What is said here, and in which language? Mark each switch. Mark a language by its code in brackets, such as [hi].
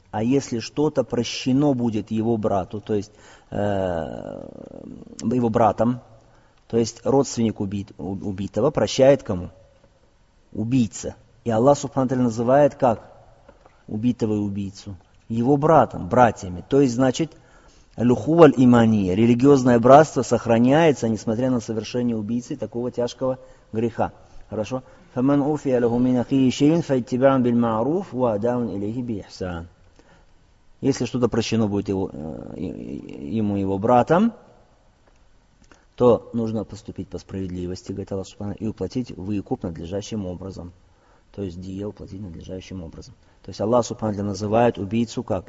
[ru] А если что-то прощено будет его брату, то есть его братом, то есть родственник убитого прощает кому? Убийца. И Аллах Субхану Тааля называет как? Убитого и убийцу. Его братом, братьями. То есть значит, [ar] лухуваль имания, [ru] религиозное братство сохраняется, несмотря на совершение убийцы такого тяжкого греха. Хорошо? [ar] فمن أوفي له من أخيه شيء فاتباع بالمعروف وأداء إليه بإحسان. [ru] Если что-то прощено будет ему его братом, то нужно поступить по справедливости, говорит Аллах Субхана, и уплатить выкуп надлежащим образом. То есть дие уплатить надлежащим образом. То есть Аллах Субхана называет убийцу как?